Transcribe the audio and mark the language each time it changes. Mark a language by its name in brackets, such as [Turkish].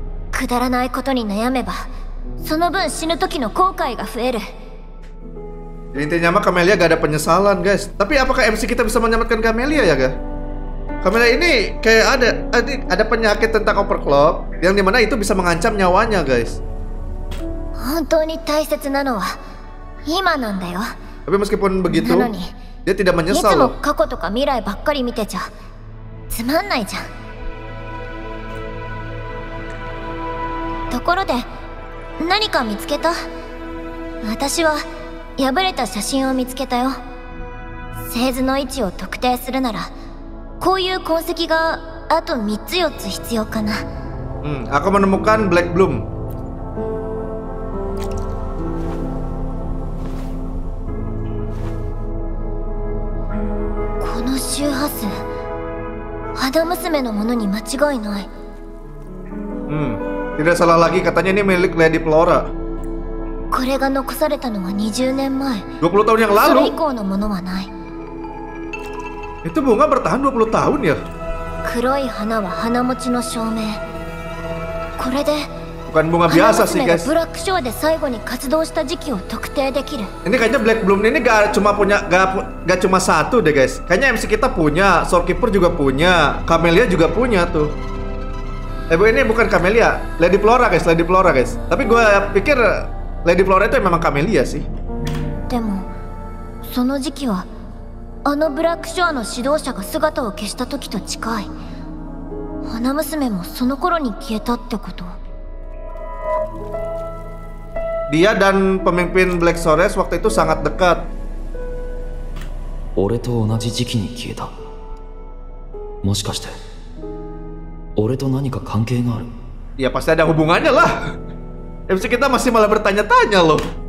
[Japanese] くだらないことに悩めば、その分死ぬ時の後悔が増える。 [Indonesian] Intinya mah Camelia gak ada penyesalan, guys. Tapi apakah MC kita bisa menyelamatkan Camelia ya, guys? Camelia ini kayak ada penyakit tentang overclock yang dimana itu bisa mengancam nyawanya, guys. [Japanese] 本当に大切なのは今なんだよ。 [Indonesian] Tapi meskipun begitu, dia tidak menyesal. [Japanese] いつも過去とか未来ばっかり見てちゃ、つまんないじゃん。ところで、何か見つけた？私は破れた写真を見つけたよ。製図の位置を特定するなら、こういう痕跡があと3つ4つ必要かな。 [Indonesian] aku menemukan Black Bloom. [Japanese] この周波数、肌娘のものに間違いない。 [Indonesian] Tidak salah lagi, katanya ini milik Lady Flora. [Japanese] これが残されたのは20年前。 [Indonesian] 20 tahun yang lalu. [Japanese] それ以降のものはない。 [Indonesian] Itu bunga bertahan 20 tahun ya? [Japanese] 黒い花は花持ちの証明。これで。 [Indonesian] Bukan bunga biasa sih, guys. [Japanese] ブラックショーで最後に活動した時期を特定できる。 [Indonesian] Ini kayaknya Black Bloom ini gak cuma satu deh, guys. Kayaknya MC kita punya, Shorekeeper juga punya, Camelia juga punya tuh. Eh, ini bukan Camelia, Lady Flora guys, Lady Flora guys. Tapi gue pikir Lady Flora itu memang Camelia sih. [Japanese] Tapi, その時期はあのブラックショアの指導者が姿を消した時と近い。花娘もその頃に消えたってこと。 [Indonesian] Dia dan pemimpin Black Sores waktu itu sangat dekat. [Japanese] 俺と同じ時期に消えた。もしかして。俺と何か関係がある。 [Indonesian] Ya pasti ada hubungannya lah. MC kita masih malah bertanya-tanya loh.